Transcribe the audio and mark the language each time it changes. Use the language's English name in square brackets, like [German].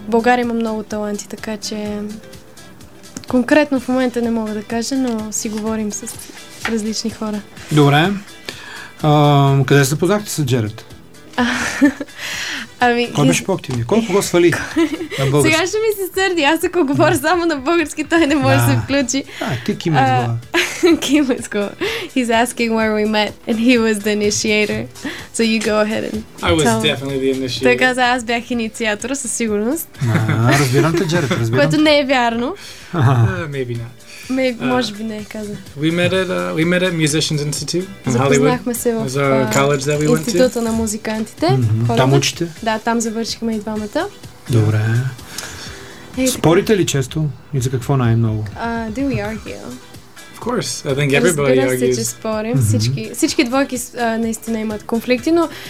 [Bulgarian] България има много таланти, така че конкретно в момента не мога да кажа, но си говорим с различни хора. Добре. Къде се познахте с Джеред? Ами, кой беше по-активни? Колко го свали? Сега ще ми се сърди. Аз ако говоря само на български, той не може да се включи. Ти кимец го. [English] He's asking where we met and he was the initiator. So you go ahead and I was definitely the initiator. [Bulgarian] Той каза, аз бях инициатор със сигурност. Разбирам те, Джеред, разбирам. Което не е вярно. [English] Maybe not. [Bulgarian] Може би не е каза. [English] We met at Musicians Institute in [Bulgarian] Hollywood. Запознахме се в [English] College that we went to. [Bulgarian] Института на музикантите. Mm-hmm. Там учите? Да, там завършихме и двамата. Добре. Спорите ли често? И за какво най-много? [English] Do we argue? Of course. I think everybody [Bulgarian] Разбира Разбира се, че спорим. Mm-hmm. Всички двойки наистина имат конфликти, но...